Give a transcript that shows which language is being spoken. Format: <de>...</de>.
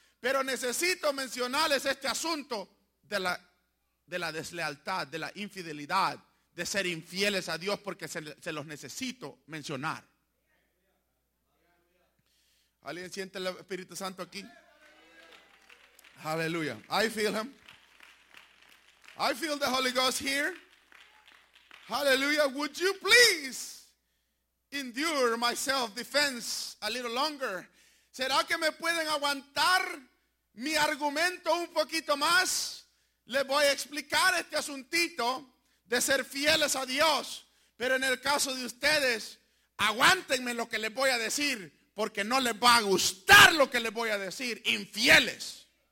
<es>Pero necesito mencionarles este asunto de la deslealtad, de la infidelidad, de ser infieles a Dios, porque se los necesito mencionar. ¿Alguien siente el Espíritu Santo aquí?</es> <en>Aleluya. I feel him. I feel the Holy Ghost here. Aleluya. Would you please endure my self-defense a little longer?</en> <es>¿Será que me pueden aguantar mi argumento un poquito más? Les voy a explicar este asuntito de ser fieles a Dios, pero en el caso de ustedes, aguántenme lo que les voy a decir, porque no les va a gustar lo que les voy a decir, infieles.</es>